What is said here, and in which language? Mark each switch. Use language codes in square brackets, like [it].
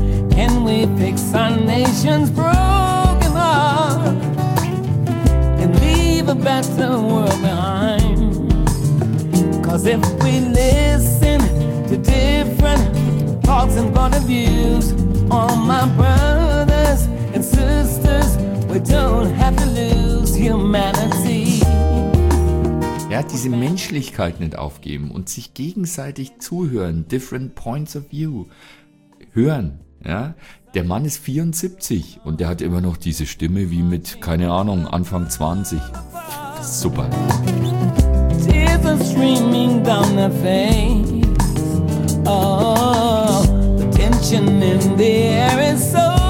[en] Can we fix our nation's broken heart and leave a better world behind? 'Cause if we listen to different thoughts and point of views, all my brothers and sisters, we don't have to lose humanity. [de] Ja, diese Menschlichkeit nicht aufgeben und sich gegenseitig zuhören, [en] different points of view, [de] hören. Ja, der Mann ist 74 und der hat immer noch diese Stimme wie mit, keine Ahnung, Anfang 20. Super. [en] Tears are streaming down the face. Oh, the tension in the air is so.